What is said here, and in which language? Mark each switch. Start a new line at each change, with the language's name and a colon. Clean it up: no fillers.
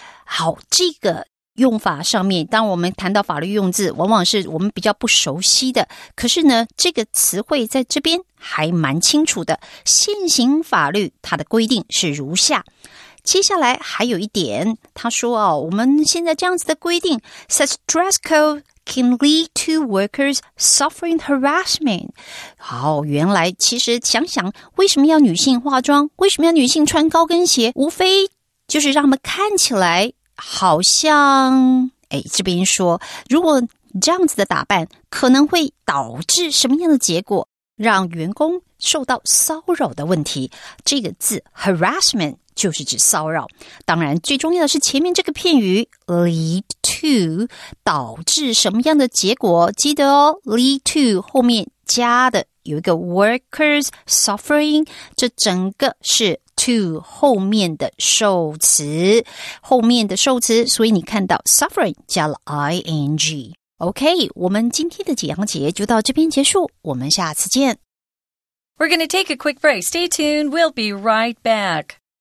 Chinese: 好，这个用法上面，当我们谈到法律用字，往往是我们比较不熟悉的。可是呢，这个词汇在这边还蛮清楚的。现行法律它的规定是如下。接下来还有一点，他说哦，我们现在这样子的规定 ，
English: such dress code。 Can lead to workers suffering harassment.
Chinese: 好，原来其实想想为什么要女性化妆，为什么要女性穿高跟鞋，无非就是让他们看起来好像，哎，这边说如果这样子的打扮可能会导致什么样的结果，让员工受到骚扰的问题。这个字 harassment 就是指骚扰，当然最重要的是前面这个片语 leadto 导致什么样的结果，记得哦， lead to 后面加的有一个
English: workers suffering，
Chinese: 这整个是 to 后面的受词，后面的受词，所以你看到 suffering 加了 ing。 OK， 我们今天的讲解就到这边结束，我们下次见。
English: We're going to take a quick break. Stay tuned, we'll be right back.